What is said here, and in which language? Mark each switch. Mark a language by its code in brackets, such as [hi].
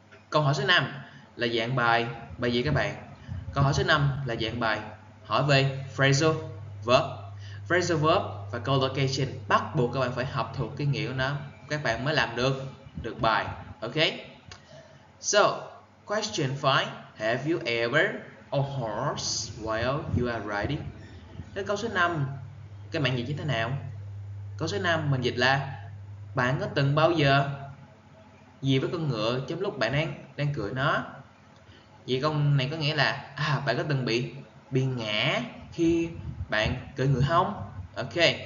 [vi] Câu hỏi số 5 là dạng bài gì các bạn? Câu hỏi số 5 là dạng bài hỏi về phrasal verb. Phrasal verb và collocation bắt buộc các bạn phải học thuộc cái nghĩa của nó, các bạn mới làm được bài. [en] Ok. So, question 5. Have you ever a horse while you are riding? [vi] Cái câu số 5 các bạn dịch như thế nào? Câu số 5 mình dịch là bạn có từng bao giờ gì với con ngựa trong lúc bạn đang cưỡi nó? Vậy câu này có nghĩa là bạn có từng bị ngã khi bạn cưỡi ngựa không? Ok.